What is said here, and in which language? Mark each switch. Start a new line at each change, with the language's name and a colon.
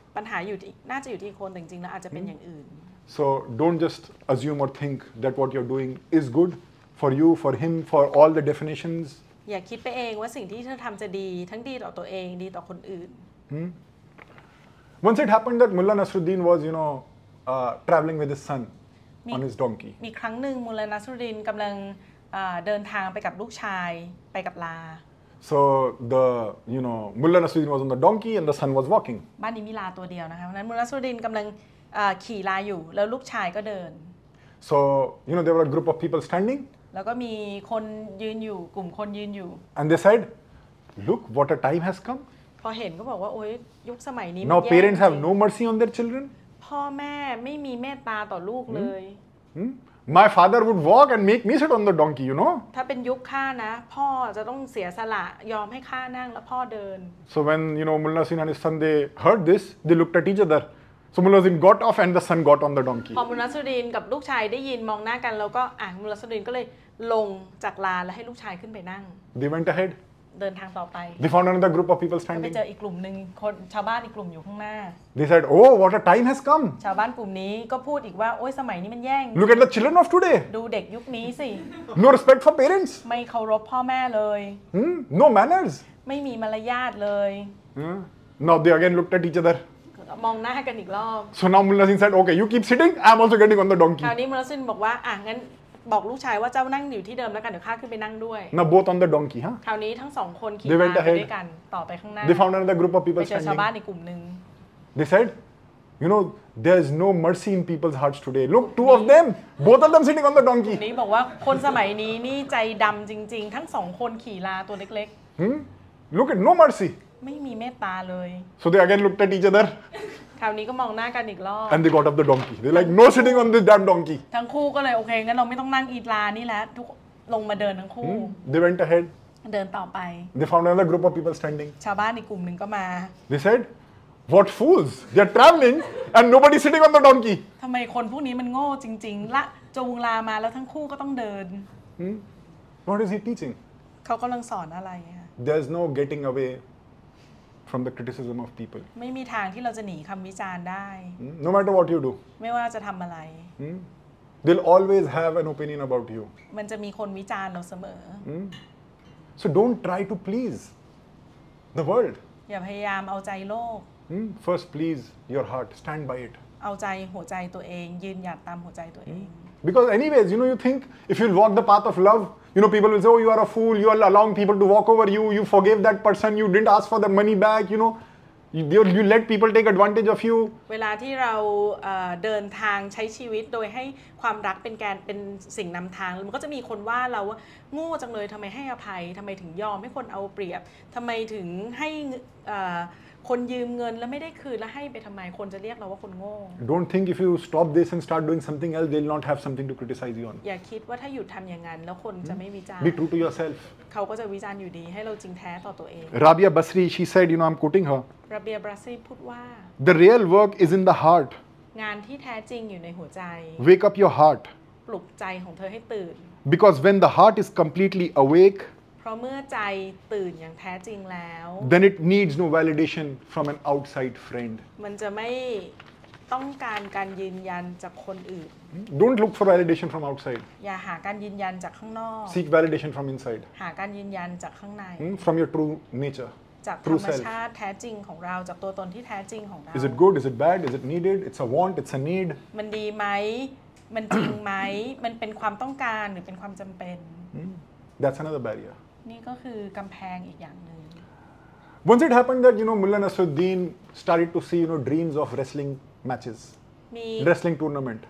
Thai: ปัญหาอยู่ที่น่าจะอยู่ที่คนจริงๆแล้วอาจจะเป็นอย่างอื่น
English: So don't just assume or think that what you're doing is good for you, for him, for all the definitions.
Thai: อย่าคิดไปเองว่าสิ่งที่เธอทำจะดีทั้งดีต่อตัวเองดีต่อคนอื่น
English: Once it happened that Mullah Nasruddin was, you know, traveling with his son on his donkey.
Thai: มีครั้งหนึ่งมุลลานัสรุดดีนกำลังเดินทางไปกับลูกชายไปกับลา
English: so the you know Mullah Nasruddin was on the donkey and the son was walking
Thai: บ้านนี้มีลาตัวเดียวนะคะเพราะนั้นมุลลานัสรุดดีนกำลังขี่ลาอยู่แล้วลูกชายก็เดิน
English: so you know there were a group of people standing
Thai: แล้วก็มีคนยืนอยู่กลุ่มคนยืนอยู่
English: and they said look what a time has come
Thai: พอเห็นก็บอกว่าโอ้ยยุคสมัยนี้
English: no parents have no mercy on their children
Thai: พ่อแม่ไม่มีเมตตาต่อลูกเลย
English: My father would walk and make me sit on the donkey, you know.
Thai: ถ้าเป็นยุคข้านะพ่อจะต้องเสียสละยอมให้ข้านั่งแล้วพ่อเดิน
English: So when you know Mullah Nasruddin and his son they heard this, they looked at each other. So Mullah Nasruddin got off and the son got on the donkey.
Thai: พอ Mullah Nasruddin กับลูกชายได้ยินมองหน้ากันแล้วก็Mullah Nasruddin ก็เลยลงจากลาแล้วให้ลูกชายขึ้นไปนั่ง
English: They went ahead.
Thai: เดินทางต่อไป
English: They found another group of people standing.
Thai: ไปเจออีกกลุ่มนึงคนชาวบ้านอีกกลุ่มอยู่ข้างหน้า
English: They said, "Oh, what a time has come!"
Thai: ชาวบ้านกลุ่มนี้ก็พูดอีกว่าโอ้ยสมัยนี้มันแย่ง
English: Look at the children of today.
Thai: ดูเด็กยุคนี้สิ
English: No respect for parents.
Thai: ไม่เคารพพ่อแม่เลย
English: No manners.
Thai: ไม่มีมารยาทเลย
English: Now they again looked at each other.
Thai: มองหน้ากันอีกรอบ
English: So now Mullah Nasruddin said, "Okay, you keep sitting. I'm also getting on the donkey."
Thai: คราวนี้ Mullah Nasruddin บอกว่าอ่ะงั้นบอกลูกชายว่าเจ้านั่งอยู่ที่เดิมแล้วกันเดี๋ยวข้าขึ้นไปนั่งด้วย
English: Now both on the donkey, huh?
Thai: คราวนี้ทั้งสองคนขี่ม้าไปด้วยกันต่อไปข้างหน้า
English: They found another group of people standing.
Thai: ไปเจอชาวบ้านอีกกลุ่มนึง
English: They said, you know, there is no mercy in people's hearts today. Look, two of them, both of them sitting on the donkey.
Thai: นี่บอกว่าคนสมัยนี้นี่ใจดำจริงๆทั้งสองคนขี่ลาตัวเล็ก
English: ๆ Look at no mercy.
Thai: ไม่มีเมตตาเลย
English: So they again looked at each other.
Thai: คราวนี้ก็มองหน้ากันอีกรอบ
English: And they got up the donkey. They're like, no sitting on this damn donkey.
Thai: ทั้งคู่ก็เลยโอเคงั้นเราไม่ต้องนั่งอีลานี่แล้วทุกลงมาเดินทั้งคู่
English: They went ahead.
Thai: เดินต่อไป
English: They found another group of people standing.
Thai: ชาวบ้านอีกกลุ่มนึงก็มา
English: They said. What fools! They are traveling and nobody sitting on the donkey.
Thai: ทำไมคนพวกนี้มันโง่จริงๆละจูงลามาแล้วทั้งคู่ก็ต้องเดิน
English: What is he teaching?
Thai: เขากำลังสอนอะไร
English: There's no getting away from the criticism of people.
Thai: ไม่มีทางที่เราจะหนีคำวิจารณ์ได้
English: No matter what you do.
Thai: ไม่ว่าจะทำอะไร
English: They'll always have an opinion about you.
Thai: มันจะมีคนวิจารณ์เราเสม
English: อ So don't try to please the world.
Thai: อย่าพยายามเอาใจโลก
English: First, please your heart. Stand by it.
Thai: เอาใจหัวใจตัวเองยืนหยัดตามหัวใจตัวเอง
English: Because anyways, you know, you think if you walk the path of love, you know, people will say, "Oh, you are a fool. You are allowing people to walk over you. You forgave that person. You didn't ask for the money back. You know, you let people take advantage of you."
Thai: เวลาที่เราเดินทางใช้ชีวิตโดยให้ความรักเป็นแกนเป็นสิ่งนำทางมันก็จะมีคนว่าเราโง่จังเลยทำไมให้อภัยทำไมถึงยอมให้คนเอาเปรียบทำไมถึงให้คนยืมเงินแล้วไม่ได้คืนแล้วให้ไปทำไมคนจะเรียกเราว่าคนโง่
English: Don't think if you stop this and start doing something else they'll not have something to criticize you on
Thai: อย่าคิดว่าถ้าหยุดทำอย่างนั้นแล้วคนจะไม่วิจารณ์
English: Be true to yourself
Thai: เขาก็จะวิจารณ์อยู่ดีให้เราจริงแท้ต่อตัวเอง
English: Rabia Basri she said you know I'm quoting her
Thai: Rabia Basri พูดว่า
English: The real work is in the heart
Thai: งานที่แท้จริงอยู่ในหัวใจ
English: Wake up your heart
Thai: ปลุกใจของเธอให้ตื่น
English: Because when the heart is completely awake
Thai: เพราะเมื่อใจตื่นอย่างแท้จริงแล้ว
English: then it needs no validation from an outside friend
Thai: มันจะไม่ต้องการการยืนยันจากคนอื่น
English: don't look for validation from outside
Thai: อย่าหาการยืนยันจากข้างนอก
English: seek validation from inside
Thai: หาการยืนยันจากข้างใน
English: from your true nature
Thai: จากธรรมชาติแท้จริงของเราจากตัวตนที่แท้จริงของเรา
English: is it good is it bad is it needed it's a want it's a need
Thai: มันดีไหมมันจริงไหมมันเป็นความต้องการหรือเป็นความจำเป็น
English: that's another barrier
Thai: นี่ก็คือกำแพงอีกอย่างนึ ง
English: Once it happened that you know Mullah Nasruddin started to see you know dreams of wrestling matches wrestling tournament